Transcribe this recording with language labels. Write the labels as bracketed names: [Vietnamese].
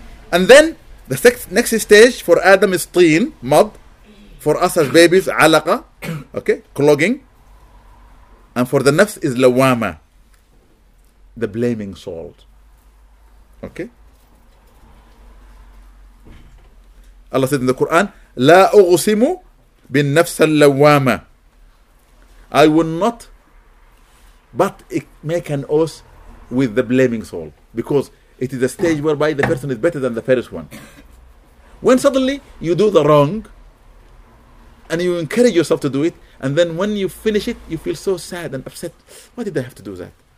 [English] And then the next stage for Adam is teen, mud. For us as babies, alaqa. Okay? Clogging. And for the nafs is lawama, the blaming salt. Okay? [Arabic] Allah said in the Quran, لا أغسم بالنفس اللوامة. [English] I will not but make an oath with the blaming soul. Because it is a stage whereby the person is better than the first one. When suddenly you do the wrong and you encourage yourself to do it, and then when you finish it, you feel so sad and upset. Why did I have to do that?